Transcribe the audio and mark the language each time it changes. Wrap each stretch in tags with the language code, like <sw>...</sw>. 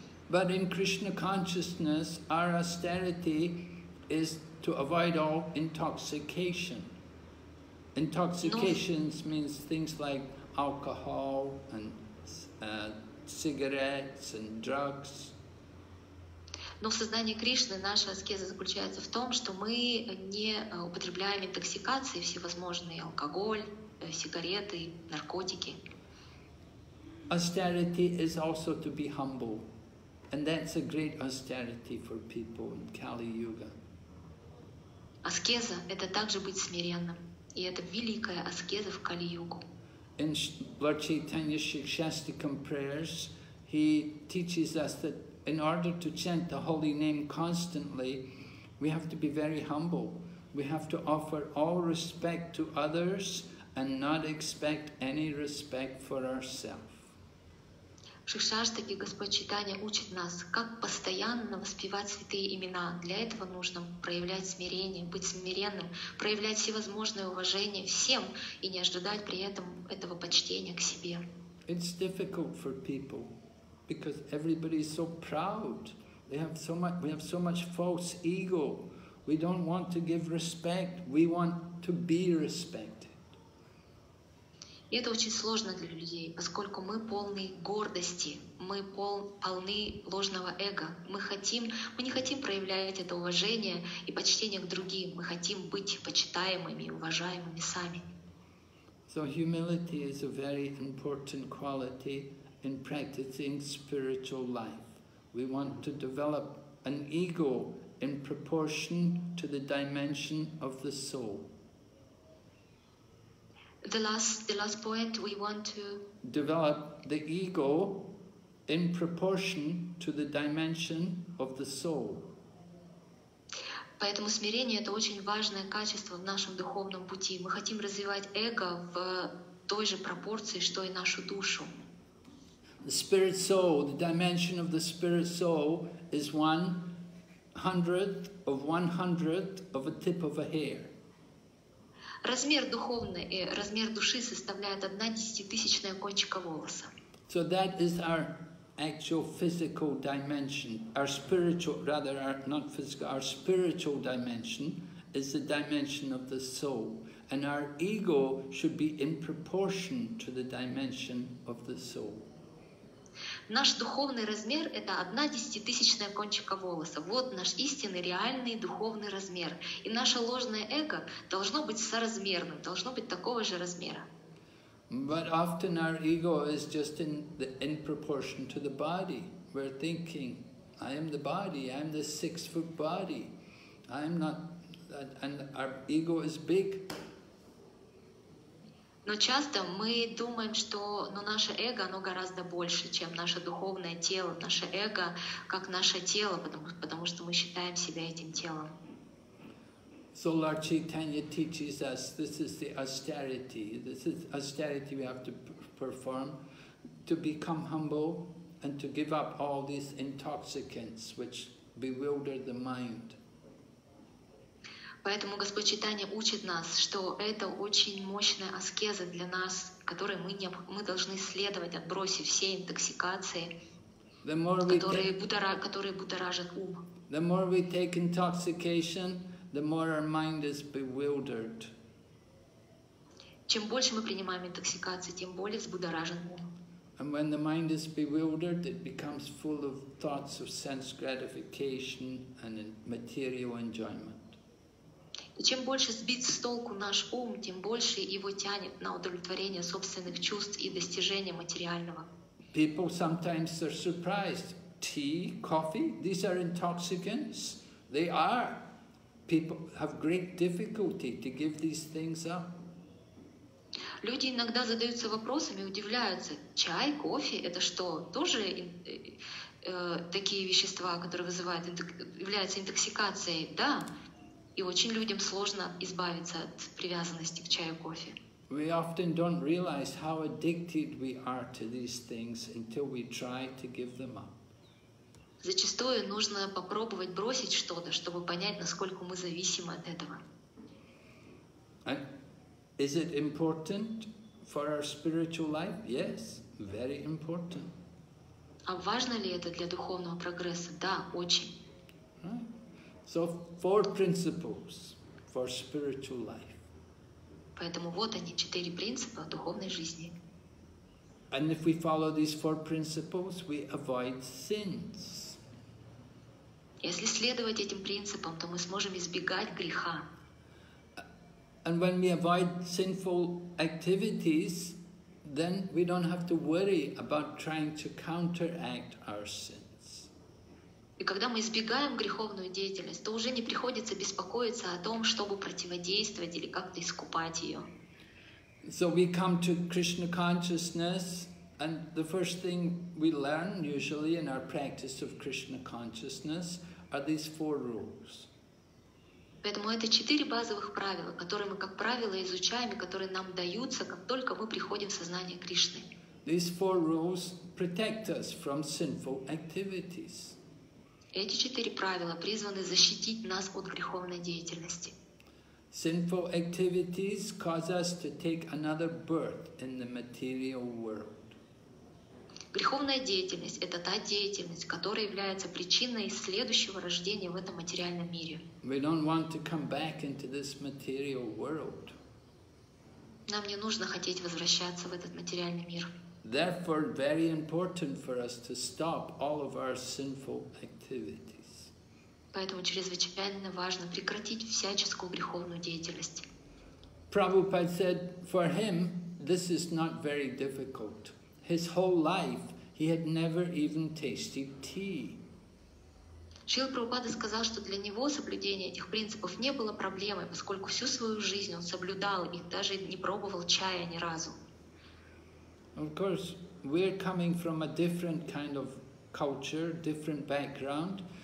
<en>But in Krishna consciousness, our austerity is to avoid all intoxication. Intoxications means things like alcohol and cigarettes and drugs.</en> <ru>Но в сознании Кришны наша аскеза заключается в том, что мы не употребляем интоксикации всевозможные, алкоголь, сигареты, наркотики.</ru> <en>Austerity is also to be humble. And that's a great austerity for people in Kali Yuga.</en> <ru>Аскеза — это также быть смиренным, и это великая аскеза в Кали-югу.</ru> <en>In Lord Chaitanya Shikshastikam prayers, he teaches us that in order to chant the holy name constantly, we have to be very humble. We have to offer all respect to others and not expect any respect for ourselves.</en> <ru>В Шикшаштаке Господь Читания учит нас, как постоянно воспевать святые имена. Для этого нужно проявлять смирение, быть смиренным, проявлять всевозможное уважение всем и не ожидать при этом этого почтения к себе.</ru> <en>It's difficult for people, because everybody is so proud. They have so much, we have so much false ego. We don't want to give respect, we want to be respected.</en> <ru>И это очень сложно для людей, поскольку мы полны гордости, мы полны ложного эго. Мы не хотим проявлять это уважение и почтение к другим. Мы хотим быть почитаемыми, уважаемыми сами.</ru> <en>So humility is a very important quality in practicing spiritual life. We want to develop an ego in proportion to the dimension of the soul. The last point, we want to develop the ego in proportion to the dimension of the soul.</en> <ru>Поэтому смирение — это очень важное качество в нашем духовном пути. Мы хотим развивать эго в той же пропорции, что и нашу душу.</ru> <en>The spirit soul, the dimension of the spirit soul is hundredth of 1/100 of a tip of a hair.</en> <ru>Размер духовный, размер души составляет 1/10 кончика волоса.</ru> <en>So that is our actual physical dimension. Our spiritual, rather, our, not physical, our spiritual dimension is the dimension of the soul. And our ego should be in proportion to the dimension of the soul.</en> <ru>Наш духовный размер — это 1/10 кончика волоса. Вот наш истинный, реальный духовный размер. И наше ложное эго должно быть соразмерным, должно быть такого же размера.</ru> <en>But often our ego is just in proportion to the body. We're thinking, I am the body, I am the 6-foot body. I am not, and our ego is big.</en> <ru>Но часто мы думаем, что наше эго, оно гораздо больше, чем наше духовное тело. Наше эго как наше тело, потому что мы считаем себя этим телом.</ru> <en>So Lord Chaitanya teaches us this is the austerity. This is austerity we have to perform to become humble and to give up all these intoxicants which bewilder the mind.</en> <ru>Поэтому Господь Чайтанья учит нас, что это очень мощная аскеза для нас, которой мы должны следовать, отбросив все интоксикации, которые будоражат ум.</ru> <en>The more we take intoxication, the more our mind is bewildered.</en> <ru>Чем больше мы принимаем интоксикации, тем более взбудоражен ум.</ru> <en>And when the mind is bewildered, it becomes full of thoughts of sense gratification and material enjoyment.</en> <ru>И чем больше сбит с толку наш ум, тем больше его тянет на удовлетворение собственных чувств и достижения материального.</ru> <en>People sometimes are surprised. Tea, coffee, these are intoxicants. They are. People have great difficulty to give these things up.</en> <ru>Люди иногда задаются вопросами, удивляются. Чай, кофе, это что, тоже такие вещества, которые вызывают, являются интоксикацией? Да. И очень людям сложно избавиться от привязанности к чаю, кофе.</ru> <en>We often don't realize how addicted we are to these things until we try to give them up.</en> <ru>Зачастую нужно попробовать бросить что-то, чтобы понять, насколько мы зависимы от этого.</ru> <en>And is it important for our spiritual life? Yes, very important.</en> <ru>А важно ли это для духовного прогресса? Да, очень.</ru> <en>So four principles for spiritual life.</en> <ru>Поэтому вот они, четыре принципа духовной жизни.</ru> <en>And if we follow these four principles, we avoid sins.</en> <ru>Если следовать этим принципам, то мы сможем избегать греха.</ru> <en>And when we avoid sinful activities, then we don't have to worry about trying to counteract our sin.</en> <ru>И когда мы избегаем греховную деятельность, то уже не приходится беспокоиться о том, чтобы противодействовать или как-то искупать ее.</ru> <en>So we come to Krishna consciousness, and the first thing we learn usually in our practice of Krishna consciousness are these four rules.</en> <ru>Поэтому это четыре базовых правила, которые мы, как правило, изучаем и которые нам даются, как только мы приходим в сознание Кришны.</ru> <en>These four rules protect us from sinful activities.</en> <ru>Эти четыре правила призваны защитить нас от греховной деятельности.</ru> <en>Sinful activities cause us to take another birth in the material world.</en> <ru>Греховная деятельность — это та деятельность, которая является причиной следующего рождения в этом материальном мире.</ru> <en>We don't want to come back into this material world.</en> <ru>Нам не нужно хотеть возвращаться в этот материальный мир.</ru> <en>Therefore, very important for us to stop all of our sinful activities.</en> <ru>Поэтому чрезвычайно важно прекратить всяческую греховную деятельность.</ru> <en>Prabhupada said, for him, this is not very difficult. His whole life, he had never even tasted tea.</en> <ru>Шрила Прабхупада сказал, что для него соблюдение этих принципов не было проблемой, поскольку всю свою жизнь он соблюдал их, даже не пробовал чая ни разу.</ru> <en>Of course, we're coming from a different kind of culture, different background.</en>